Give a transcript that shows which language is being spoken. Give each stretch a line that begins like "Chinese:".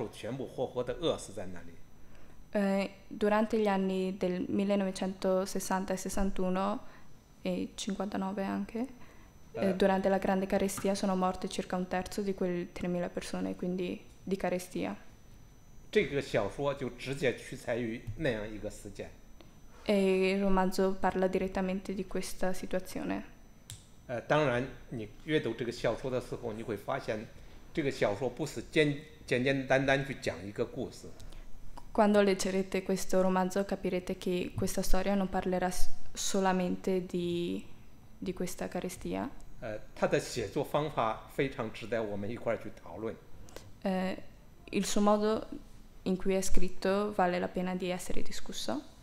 Chinese: 到60年、61年、62年，中国大饥荒的时候，那里那3000多人饿死了1/3，1000多名知识分子教授全部活活的饿死在那里。
Italian: Durante gli anni del 1960 e 61 e 59 anche. Durante la grande carestia sono morte circa un terzo di quelle 3000 persone, quindi di carestia. E il romanzo parla direttamente di questa situazione. Quando leggerete questo romanzo capirete che questa storia non parlerà solamente di questa carestia.
Chinese: 他的写作方法非常值得我们一块去讨论。
Italian: Il suo modo in cui è scritto vale la pena di essere discusso.